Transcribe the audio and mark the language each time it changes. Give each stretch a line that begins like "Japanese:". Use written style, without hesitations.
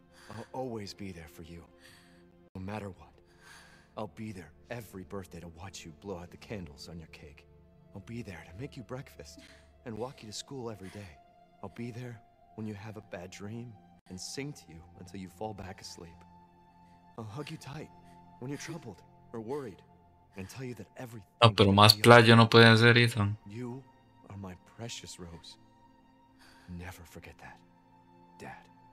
English: I'll always be there for you, no matter what. I'll be there every birthday to watch you blow out the candles on your cake. I'll be there to make you breakfast and walk you to school every day. I'll be there when you have a bad dream and sing to you until you fall back asleep. I'll hug you tight when you're troubled or worried and tell you that everything...
Spanish: No, pero más playa no puede hacer, Ethan.
English: You are my precious rose. Never forget that, Dad.